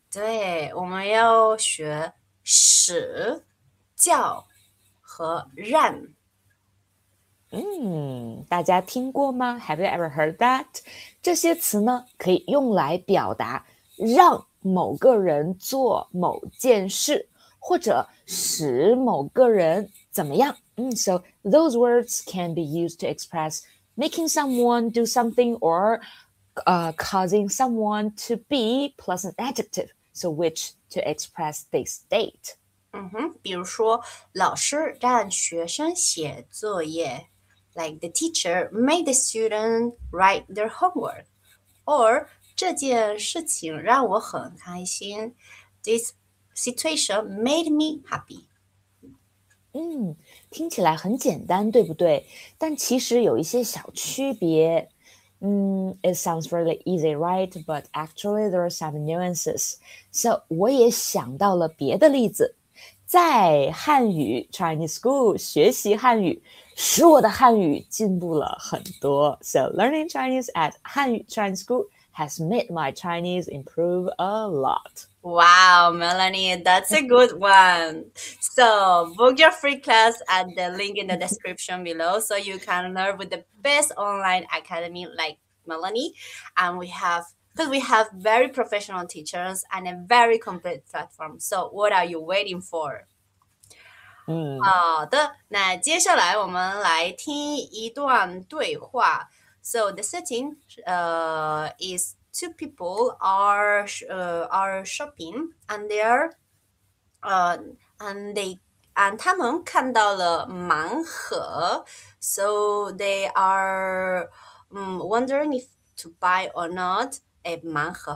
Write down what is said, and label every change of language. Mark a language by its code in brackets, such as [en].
[zh] 对，我们要学使、叫和让。大家听过吗？ [en] Have you ever heard that? [zh] 这些词呢可以用来表达让某个人做某件事，或者使某个人怎么样。 [en] So those words can be used to express making someone do something or causing someone to be plus an adjective, so which to express this state. [zh] 比如说老师让学生写作业。 [en] Like the teacher made the student write their homework. Or, [zh] 这件事情让我很开心。 [en] This situation made me happy. [zh] 听起来很简单，对不对？但其实有一些小区别。 [en] It sounds really easy, right? But actually, there are some nuances. So, [zh] 我也想到了别的例子。在汉语 Chinese School 学习汉语，使我的汉语进步了很多。 [en] So learning Chinese at 汉语 Chinese School has made my Chinese improve a lot. Wow, Melanie, that's a good one. So book your free class at the link in the description below, so you can learn with the best online academy like Melanie. And we have, because we have very professional teachers and a very complete platform. So what are you waiting for? [zh] 好的，那接下来我们来听一段对话。 [en] So the setting is two people are shopping and they're and [zh] 他们看到了盲盒。 [en] So they are wondering if to buy or not a 盲盒。